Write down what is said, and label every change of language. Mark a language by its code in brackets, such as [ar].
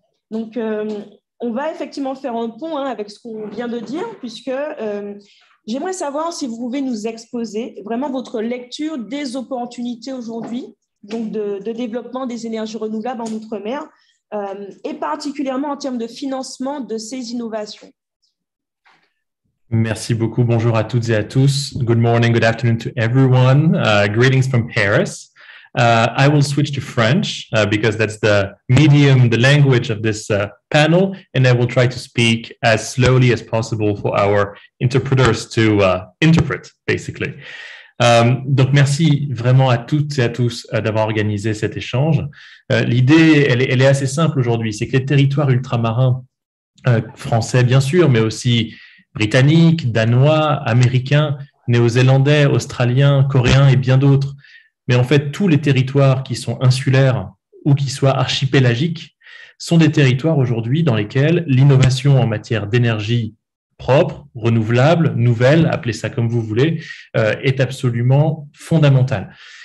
[fr] Donc, on va effectivement faire un pont avec ce qu'on vient de dire, puisque j'aimerais savoir si vous pouvez nous exposer vraiment votre lecture des opportunités aujourd'hui, donc de développement des énergies renouvelables en Outre-mer, et particulièrement en termes de financement de ces innovations. Merci beaucoup. Bonjour à toutes et à tous. [en] Good morning, good afternoon to everyone. Greetings from Paris. I will switch to French because that's the medium, the language of this panel, and I will try to speak as slowly as possible for our interpreters to interpret, basically. [fr] Donc, merci vraiment à toutes et à tous d'avoir organisé cet échange. L'idée, elle est assez simple aujourd'hui, c'est que les territoires ultramarins français, bien sûr, mais aussi britanniques, danois, américains, néo-zélandais, australiens, coréens et bien d'autres, mais en fait, tous les territoires qui sont insulaires ou qui soient archipélagiques sont des territoires aujourd'hui dans lesquels l'innovation en matière d'énergie propre, renouvelable, nouvelle, appelez ça comme vous voulez, est absolument fondamentale.